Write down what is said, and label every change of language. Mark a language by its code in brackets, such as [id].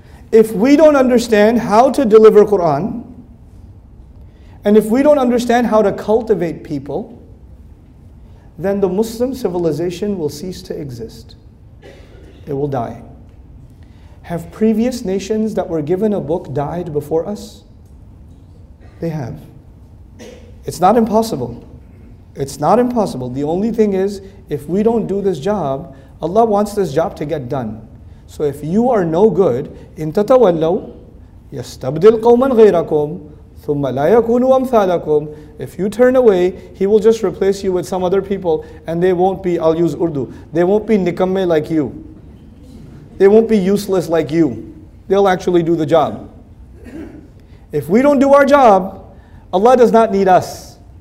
[en] If we don't understand how to deliver Quran, and if we don't understand how to cultivate people, then the Muslim civilization will cease to exist. It will die. Have previous nations that were given a book died before us? They have. It's not impossible. It's not impossible. The only thing is, if we don't do this job, Allah wants this job to get done. So if you are no good, [ar] إِن تَتَوَلَّوْا يَسْتَبْدِلْ قَوْمًا غَيْرَكُمْ ثُمَّ لَا يَكُونُوا أَمْثَالَكُمْ. [en] If you turn away, he will just replace you with some other people, and they won't be, I'll use Urdu, they won't be nikamme like you. They won't be useless like you. They'll actually do the job. If we don't do our job, Allah does not need us.